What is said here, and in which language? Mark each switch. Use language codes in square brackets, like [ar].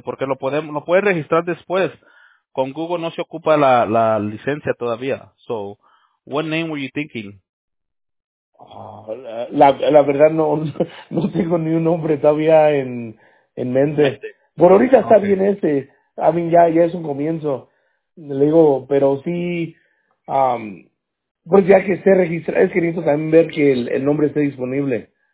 [es] Porque lo puedes registrar después. Con Google no se ocupa la licencia todavía. [en] So, what name were you thinking? [es] La verdad no tengo ni un nombre todavía en mente. Por ahorita está okay. Bien ese. A mí ya es un comienzo. Le digo, pero sí, pues ya que esté registrado, es que necesito también ver que el nombre esté disponible.